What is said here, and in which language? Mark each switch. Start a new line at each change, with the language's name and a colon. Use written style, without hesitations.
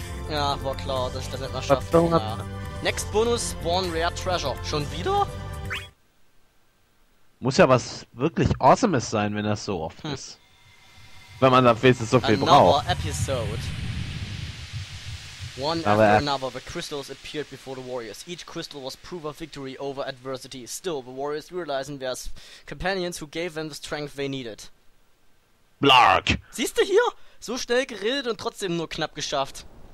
German: Ja, war klar, dass ich das nicht mehr schaffe.
English: Ja. Next Bonus, Born Rare Treasure.
German: Schon wieder? Muss ja was wirklich Awesomes sein, wenn das so oft ist. Wenn man dafür so viel braucht.
English: Another episode. One after another, the crystals appeared before the warriors. Each crystal was proof of victory over adversity. Still, the warriors realizing there's companions who gave them the strength they needed. Blark!
German: Siehst du hier? So schnell geredet und trotzdem nur knapp geschafft.